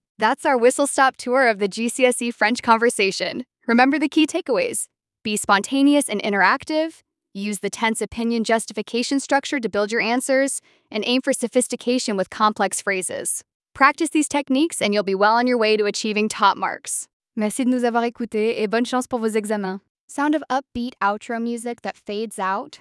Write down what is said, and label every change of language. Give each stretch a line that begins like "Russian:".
English: That's our whistle stop tour of the GCSE French conversation. Remember the key takeaways. Be spontaneous and interactive. Use the tense opinion justification structure to build your answers. And aim for sophistication with complex phrases. Practice these techniques and you'll be well on your way to achieving top marks.
French: Merci de nous avoir écoutés et bonne chance pour vos examens.
English: Sound of upbeat outro music that fades out.